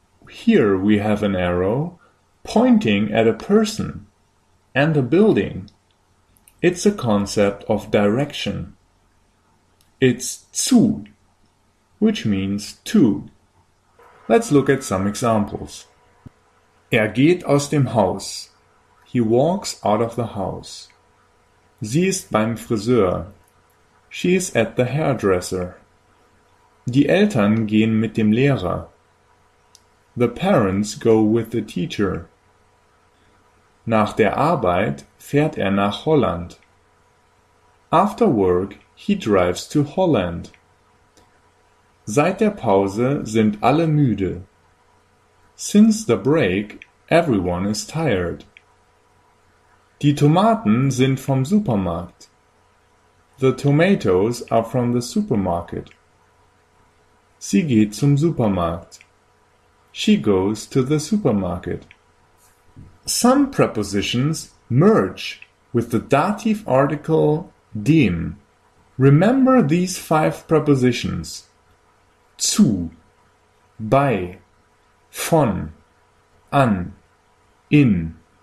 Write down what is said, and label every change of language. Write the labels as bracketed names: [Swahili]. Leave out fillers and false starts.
[English] Here we have an arrow pointing at a person and a building. It's a concept of direction. It's zu, which means to. Let's look at some examples. [German] Er geht aus dem Haus. [English] He walks out of the house. [German] Sie ist beim Friseur. [English] She is at the hairdresser. [German] Die Eltern gehen mit dem Lehrer. [English] The parents go with the teacher. [German] Nach der Arbeit fährt nach Holland. [English] After work, he drives to Holland. [German] Seit der Pause sind alle müde. [English] Since the break, everyone is tired. [German] Die Tomaten sind vom Supermarkt. [English] The tomatoes are from the supermarket. [German] Sie geht zum Supermarkt. [English] She goes to the supermarket. Some prepositions merge with the dative article dem. Remember these five prepositions. [German] Zu, bei, von, an, in.